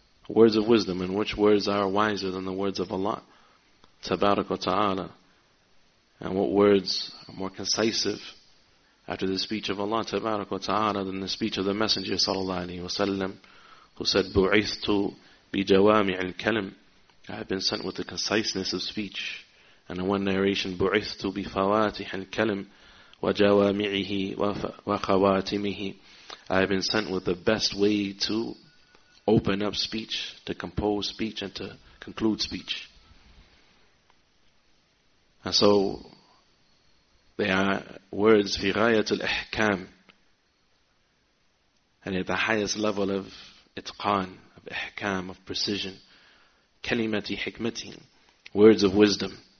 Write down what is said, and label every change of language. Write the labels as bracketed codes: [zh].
[en] Words of wisdom, and which words are wiser than the words of Allah tabarak wa ta'ala? And what words are more concisive after the speech of Allah tabarak wa ta'ala than the speech of the Messenger sallallahu alayhi wa sallam, who said, [ar] بُعِثْتُ بِجَوَامِعِ الْكَلِمِ. [en] I have been sent with the conciseness of speech. And in one narration, [ar] بُعِثْتُ بِفَوَاتِحِ الْكَلِمِ وَجَوَامِعِهِ وَخَوَاتِمِهِ. [en] I have been sent with the best way to open up speech, to compose speech, and to conclude speech. And so they are words [ar] fi ghayatul ihkam, [en] and at the highest level of itqan, of ihkam, of precision, [ar] kalimati hikmati, [en] words of wisdom.